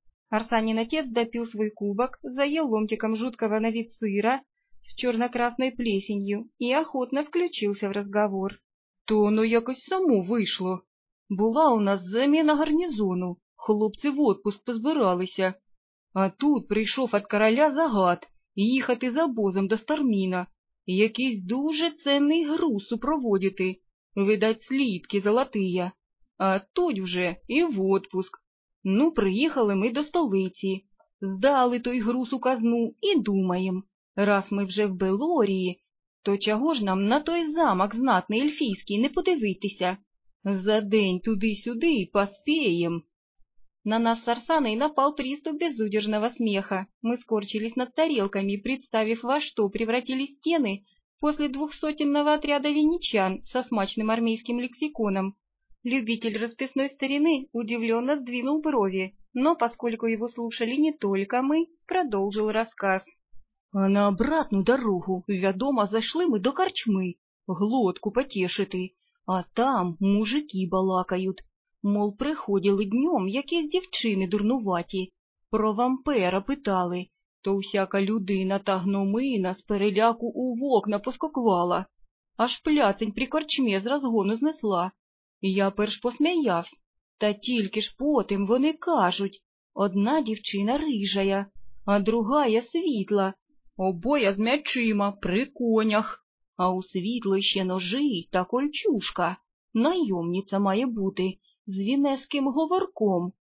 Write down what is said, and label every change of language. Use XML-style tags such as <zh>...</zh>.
<ru>Арсанин отец допил свой кубок, заел ломтиком жуткого на вид сыра с черно-красной плесенью и охотно включился в разговор.</ru> <uk>То оно якось само вышло.</uk> <ru>Была у нас замена гарнизону, хлопцы в отпуск позбиралися.</ru> <uk>А тут прийшов от короля загад їхати за обозом до Старміна, якийсь дуже цінний груз супроводити, видать слідки золотий, а тут вже і в отпуск. Ну, приїхали ми до столиці, здали той груз у казну і думаємо, раз ми вже в Белорії, то чого ж нам на той замок знатний ельфійський не подивитися? За день туди-сюди поспеєм.</uk> <ru>На нас с Арсаной напал приступ безудержного смеха. Мы скорчились над тарелками, представив, во что превратились стены после 200-ного отряда венечан со смачным армейским лексиконом. Любитель расписной старины удивленно сдвинул брови, но, поскольку его слушали не только мы, продолжил рассказ. «А на обратную дорогу, вядома, зашли мы до корчмы, глотку потешиты, а там мужики балакают.</ru> <uk>мол, приходили днем якісь дівчини дурнуваті, про вампера питали, то всяка людина та гномина з переляку у вокна поскоквала, аж пляцень при корчмі з розгону знесла. Я перш посміявся, та тільки ж потім вони кажуть, одна дівчина рижая, а другая світла, обоє з м'ячима при конях, а у світлої ще ножі та кольчушка, найомниця має бути, з вінеським говорком.</uk>